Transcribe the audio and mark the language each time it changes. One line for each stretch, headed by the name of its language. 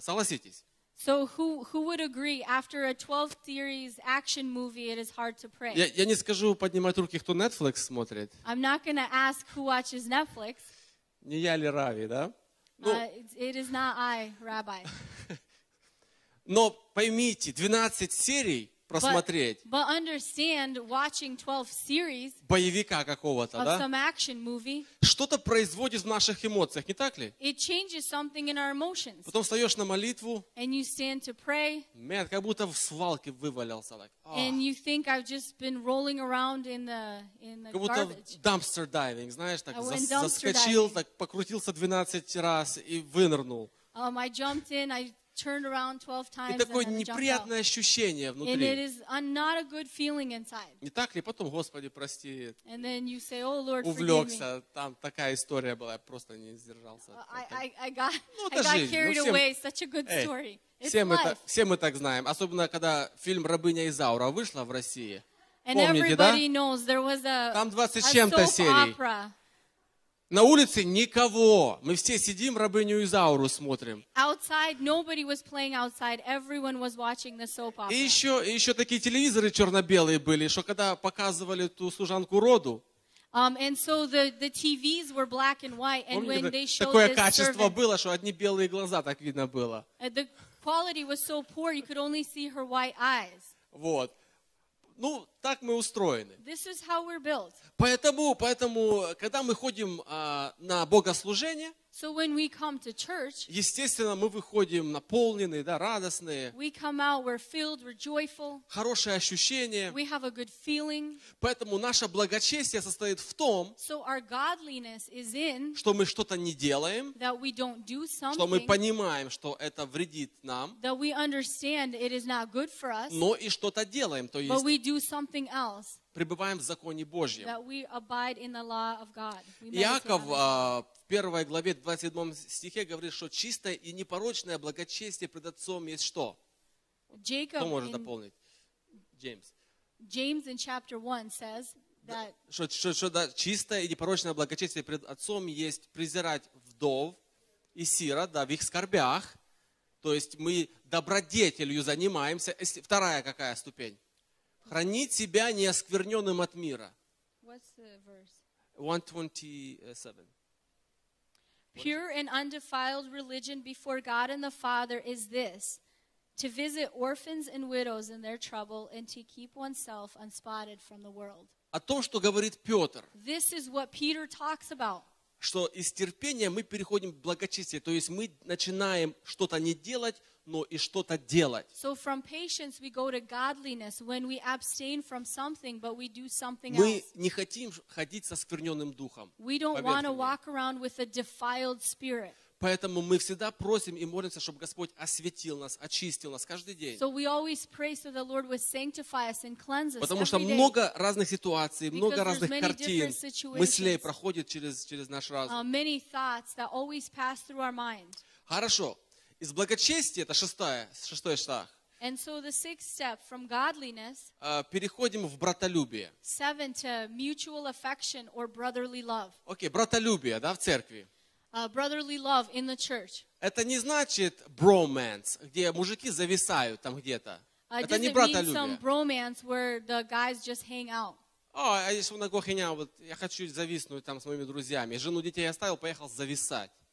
Russian: Согласитесь?
English: So who would agree after a 12 series action movie it is hard to pray?
Russian: Я не скажу поднимать руки, кто Netflix смотрит.
English: I'm not going to ask who watches Netflix.
Russian: Не я ли Рави, да?
English: It is not I, Rabbi.
Russian: Но поймите, 12 серий просмотреть.
English: But understand watching 12 series
Russian: боевика какого-то, да?
English: Of some action movie.
Russian: Что-то производит в наших эмоциях, не так ли?
English: It changes something in our emotions.
Russian: Потом встаешь на молитву.
English: And you stand to pray. Man,
Russian: как будто в свалке вывалился,
English: like. Oh. And you think I've just been rolling around in the garbage.
Russian: Как будто в
English: dumpster diving,
Russian: знаешь, так заскочил, так покрутился 12 раз и вынырнул.
English: I jumped in. Turned around 12 times.
Russian: И такое неприятное ощущение внутри.
English: And it is not a good feeling inside.
Russian: Не так ли? Потом, Господи, прости.
English: And then you say, "Oh Lord, forgive me."
Russian: Увлекся, там такая история была, я просто не сдержался.
English: I got carried away. Such a good story. It's life.
Russian: Все мы так знаем, особенно когда фильм «Рабыня Изаура» вышла в России.
English: And everybody knows there was a.
Russian: Там 20 с чем-то серий. На улице никого. Мы все сидим, рабыню Изауру смотрим.
English: Outside, nobody was playing outside. Everyone was watching the soap opera.
Russian: И еще такие телевизоры черно-белые были, что когда показывали ту служанку Роду.
English: And so the TVs were black and white. And
Russian: помните,
English: when they showed
Russian: такое качество было, что одни белые глаза так видно было.
English: The quality was so poor, you could only see her white eyes.
Russian: Вот. Ну, так мы устроены.
English: This is how we're built.
Russian: Поэтому, когда мы ходим на богослужение,
English: so when we come to church,
Russian: естественно, мы выходим наполненные, да, радостные.
English: We come out, we're filled, we're joyful.
Russian: Хорошее ощущение.
English: We have a good feeling.
Russian: Поэтому наше благочестие состоит в том,
English: so our godliness is in,
Russian: что мы что-то не делаем,
English: that we don't do something,
Russian: что мы понимаем, что это вредит нам,
English: that we understand it is not good for us,
Russian: но и что-то делаем, то есть,
English: but we do something else.
Russian: Пребываем в законе Божьем.
English: That we abide in the law of God.
Russian: Иаков в 1 главе 27 стихе говорит, что чистое и непорочное благочестие пред Отцом есть что?
English: Jacob.
Russian: Кто может дополнить? James.
English: James in chapter 1 says that.
Russian: Что чистое и непорочное благочестие пред Отцом есть презирать вдов и сирот, да, в их скорбях. То есть мы добродетелью занимаемся. Вторая какая ступень? Хранить себя неоскверненным от мира.
English: What's the verse? 127. Pure and undefiled religion before God and the Father is this, to visit orphans and widows in their trouble and to keep oneself unspotted from the world.
Russian: О том, что говорит Петр.
English: This is what Peter talks about.
Russian: Что из терпения мы переходим к благочестию, то есть мы начинаем что-то не делать, но и что-то делать.
English: So from patience we go to godliness when we abstain from something, but we do something
Russian: мы
English: else.
Russian: Мы не хотим ходить со скверненным духом.
English: We don't want to walk around with a defiled spirit.
Russian: Поэтому мы всегда просим и молимся, чтобы Господь освятил нас, очистил нас каждый день.
English: So we always pray so the Lord would sanctify us and cleanse us every day.
Russian: Потому что много разных ситуаций, много разных картин, мыслей проходит через наш разум.
English: Many thoughts that always pass through our mind.
Russian: Хорошо. Из благочестия, это шестой шаг.
English: And so the sixth step from godliness,
Russian: переходим в братолюбие.
English: Seven to mutual affection or brotherly love.
Russian: Окей, братолюбие, да, в церкви.
English: brotherly love in the church.
Russian: Это не значит bromance, где мужики зависают там где-то. Это не братолюбие.
English: Some bromance where the guys just hang out.
Russian: Я хочу зависнуть там с моими друзьями. Жену, детей оставил, поехал зависать.